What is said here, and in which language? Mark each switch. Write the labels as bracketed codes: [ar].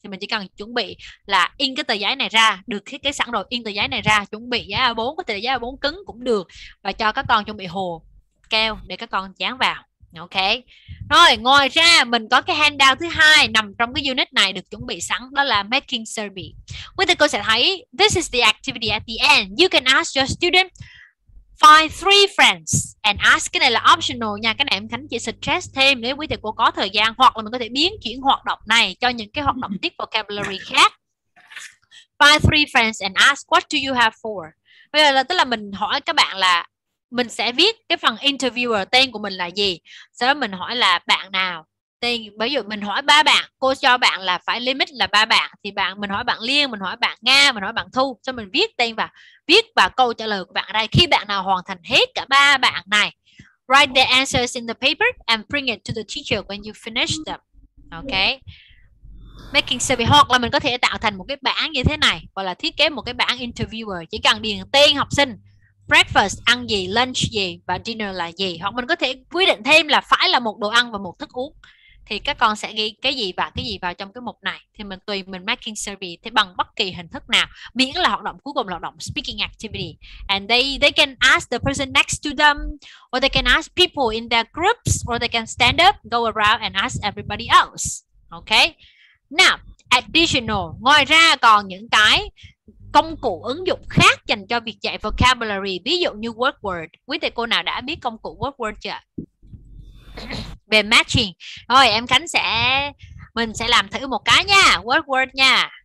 [vi] Thì mình chỉ cần chuẩn bị là in cái tờ giấy này ra, được thiết kế sẵn rồi, in tờ giấy này ra, chuẩn bị giấy A4, có thể là giấy A4 cứng cũng được, và cho các con chuẩn bị hồ keo để các con dán vào. Ok. Rồi, ngoài ra mình có cái handout thứ hai nằm trong cái unit này được chuẩn bị sẵn, đó là making survey. Quý thầy cô sẽ thấy [en] this is the activity at the end. You can ask your student find three friends and ask. [vi] Cái này là optional nha. Cái này em Khánh chỉ suggest thêm nếu quý thầy cô có thời gian, hoặc là mình có thể biến chuyển hoạt động này cho những cái hoạt động tiếp vocabulary khác. [en] Find three friends and ask what do you have for. [vi] Bây giờ là tức là mình hỏi các bạn là mình sẽ viết cái phần interviewer tên của mình là gì. Sau đó mình hỏi là bạn nào. Tên, ví dụ mình hỏi ba bạn, cô cho bạn là phải limit là ba bạn, thì bạn mình hỏi bạn Liên, mình hỏi bạn Nga, mình hỏi bạn Thu, cho mình viết tên vào, viết vào câu trả lời của bạn đây. Khi bạn nào hoàn thành hết cả ba bạn này, [en] write the answers in the paper and bring it to the teacher when you finish them. Ok, making survey. [vi] Hoặc là mình có thể tạo thành một cái bảng như thế này, gọi là thiết kế một cái bảng interviewer, chỉ cần điền tên học sinh, breakfast ăn gì, lunch gì và dinner là gì. Hoặc mình có thể quy định thêm là phải là một đồ ăn và một thức uống, thì các con sẽ ghi cái gì vào trong cái mục này. Thì mình tùy mình making survey thì bằng bất kỳ hình thức nào, miễn là hoạt động cuối cùng là hoạt động speaking activity. [en] And they can ask the person next to them, or they can ask people in their groups, or they can stand up, go around and ask everybody else. Okay. Now, additional. [vi] Ngoài ra còn những cái công cụ ứng dụng khác dành cho việc dạy vocabulary, ví dụ như word word. Quý thầy cô nào đã biết công cụ word word chưa? Về matching. Rồi em Khánh sẽ, mình sẽ làm thử một cái nha, word word nha.